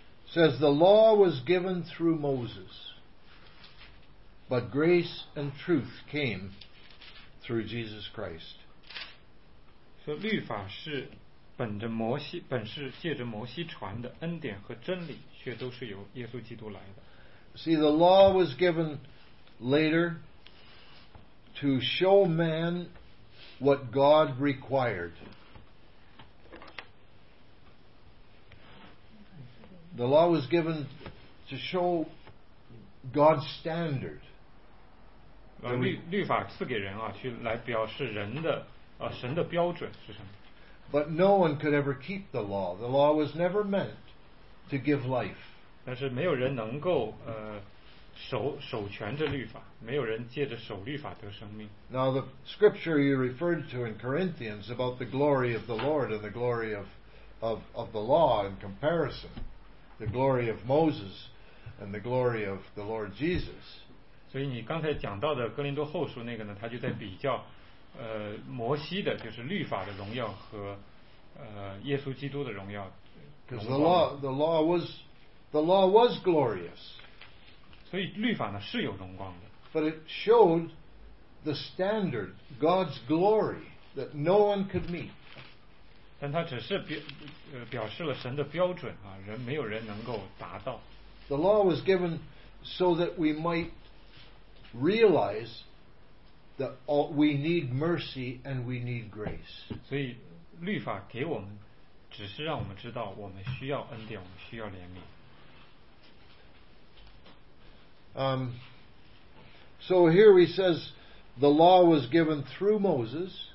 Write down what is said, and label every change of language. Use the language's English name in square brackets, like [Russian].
[English] Says the law was given through Moses, but grace and truth came through Jesus Christ. [Chinese] So, 律法是本着摩西，本是借着摩西传的，恩典和真理却都是由耶稣基督来的。 [English] See, the law was given later to show man what God required. The law was given to show God's standard. [Chinese] 律法赐给人啊，去来表示人的神的标准是什么。 [English] But no one could ever keep the law. The law was never meant to give life. [Chinese] 但是没有人能够守全这律法，没有人借着守律法得生命。 [English] Now the scripture you referred to in Corinthians about the glory of the Lord and the glory of the law in comparison. The glory of Moses and the glory of the Lord Jesus. [Chinese] 所以你刚才讲到的哥林多后书那个呢，他就在比较，摩西的就是律法的荣耀和，耶稣基督的荣耀。 [English] Because the law was glorious. [Chinese] 所以律法呢是有荣光的。 [English] But it showed the standard, God's glory that no one could meet. [Chinese] 但它只是 表示了神的标准啊，人没有人能够达到。 [English] The law was given so that we might realize that all, we need mercy and we need grace. [Chinese] 所以律法给我们，只是让我们知道我们需要恩典，我们需要怜悯。 [English] So here he says the law was given through Moses.